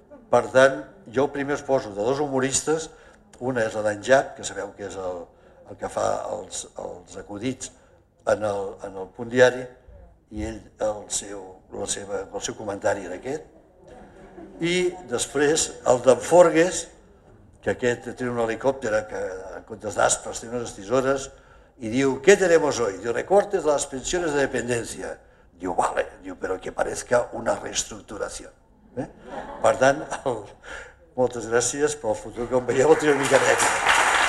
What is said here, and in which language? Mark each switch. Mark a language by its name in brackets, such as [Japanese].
[Catalan] Per tant, jo primer us poso de dos humoristes, una és la d'en Jack, que sabeu que és el que fa els acudits en el Punt Diari, i ell, el seu comentari era aquest. I després el d'en Forgues, que aquest té un helicòpter que en comptes d'aspres té unes tisores, i diu, [Spanish] ¿qué tenemos hoy? Diu, recortes de las pensiones de dependencia. Diu, vale, diu, pero que parezca una reestructuración. [Catalan] Per tant, moltes gràcies, però el futur, com veieu, el tenim una mica d'èxit.